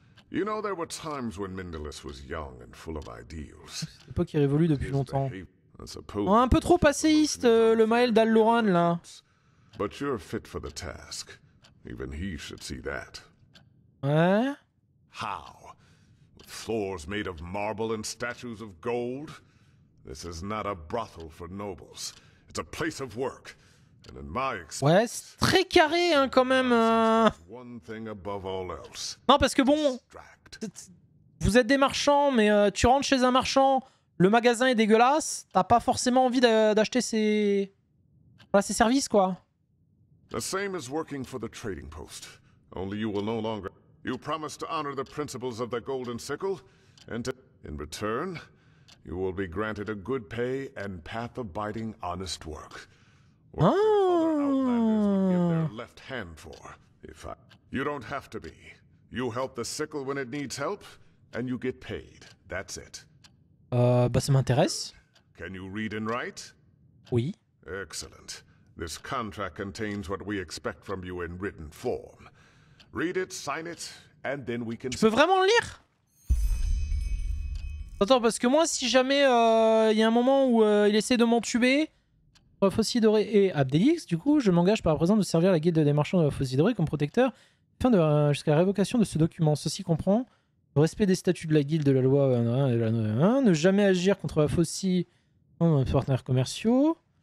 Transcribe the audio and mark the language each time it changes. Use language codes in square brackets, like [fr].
[en] You know, there were times when Mindelus was young and full of ideals. [fr] C'est l'époque qui révolue depuis longtemps. Oh, un peu trop passéiste, le Maël d'Al-Loran, là. [en] But you're fit for the task. Even he should see that. [fr] Ouais. [en] How? With floors made of marble and statues of gold? This is not a brothel for nobles. It's a place of work. And in my experience... [fr] Ouais, c'est très carré, hein, quand même. [en] One thing above all else. [fr] Non, parce que bon... Vous êtes des marchands, mais tu rentres chez un marchand, le magasin est dégueulasse, t'as pas forcément envie d'acheter ses... Voilà, ses services, quoi. [en] The same is working for the trading post. Only you will no longer... You promise to honor the principles of the Golden Sickle, and to... In return... You will be granted a good pay and path of biding honest work. What other outlanders would give their left hand for, if I... You don't have to be. You help the sickle when it needs help, and you get paid. That's it. [fr] Bah ça m'intéresse. [en] Can you read and write? [fr] Oui. [en] Excellent. This contract contains what we expect from you in written form. Read it, sign it, and then we can... [fr] Tu peux vraiment le lire? Attends, parce que moi, si jamais il y a un moment où il essaie de m'entuber, la Faucille Dorée et Abdelix, du coup, je m'engage par présent de servir la guilde des marchands de la Faucille Dorée comme protecteur afin de, jusqu'à la révocation de ce document. Ceci comprend le respect des statuts de la guilde de la loi, ne jamais agir contre la Faucille dans mes partenaires commerciaux.